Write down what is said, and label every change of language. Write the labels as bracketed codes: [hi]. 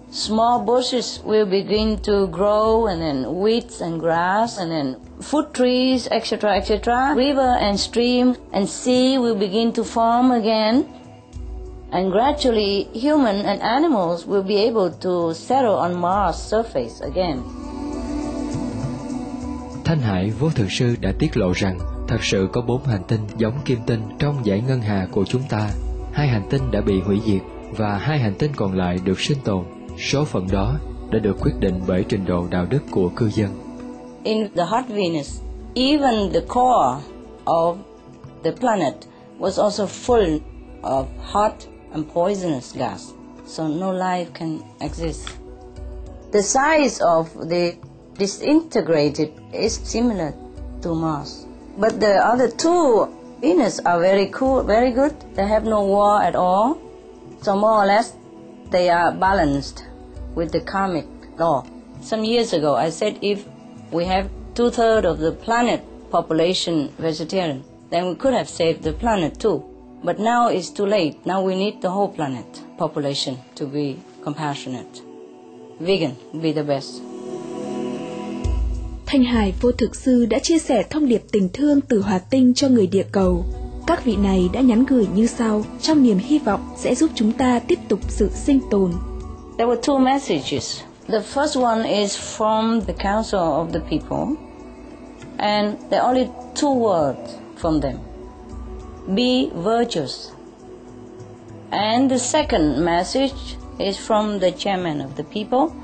[en] Small bushes will begin to grow and then wheat and grass and then fruit trees, etc., etc. River and stream and sea will begin to form again. And gradually, human and animals will be able to settle on Mars' surface again. [vi] Thanh Hải Vô Thượng Sư đã tiết lộ rằng thật sự có 4 hành tinh giống kim tinh trong dải ngân hà của chúng ta. 2 hành tinh đã bị hủy diệt và 2 hành tinh còn lại được sinh tồn. Số phận đó đã được quyết định bởi trình độ đạo đức của cư dân. [en] In the hot Venus, even the core of the planet was also full of hot and poisonous gas, so no life can exist. The size of the disintegrated is similar to Mars. But the other two Venus are very cool, very good. They have no war at all, so more or less they are balanced with the karmic law. Some years ago, I said if we have 2/3 of the planet population vegetarian, then we could have saved the planet too. But now it's too late. Now we need the whole planet population to be compassionate. Vegan would be the best. [vi] Thanh Hải Vô Thực Sư đã chia sẻ thông điệp tình thương từ hòa tinh cho người địa cầu. Các vị này đã nhắn gửi như sau, trong niềm hy vọng sẽ giúp chúng ta tiếp tục sự sinh tồn. [en] There were two messages. The first one is from the Council of the People, and there are only two words from them. Be virtuous. And the second message is from the Chairman of the People.